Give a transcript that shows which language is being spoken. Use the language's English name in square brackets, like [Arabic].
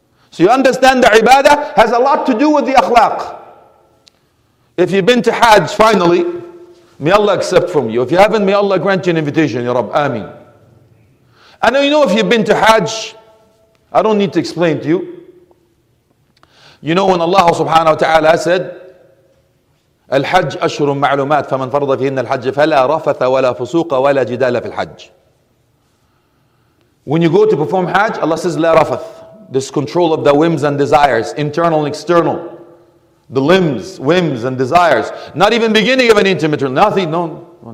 [English] So you understand the ibadah has a lot to do with the akhlaq. If you've been to Hajj, finally, may Allah accept from you. If you haven't, may Allah grant you an invitation, ya Rab, ameen. And you know if you've been to Hajj, I don't need to explain to you. You know when Allah subhanahu wa ta'ala said, [Arabic] الحج أشهر معلومات فمن فرض فيهن الحج فلا رفث ولا فسوق ولا جدال في الحج. [English] When you go to perform Hajj, Allah says [Arabic] لا رفث. [English] This control of the whims and desires, internal and external. The limbs, whims and desires. Not even beginning of an intimate, nothing, no.